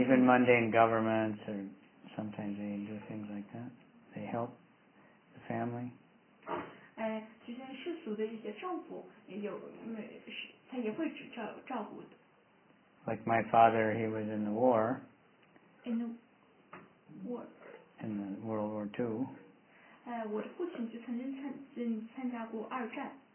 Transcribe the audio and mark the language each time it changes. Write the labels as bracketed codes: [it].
[en] Even mundane governments, or sometimes they do things like that, they help the family. [zh] 其实世俗的一些政府也有，他也会照顾的。 [en] Like my father, he was in the war. In the war. In the World War II. [zh] 我的父亲就曾经参加过二战。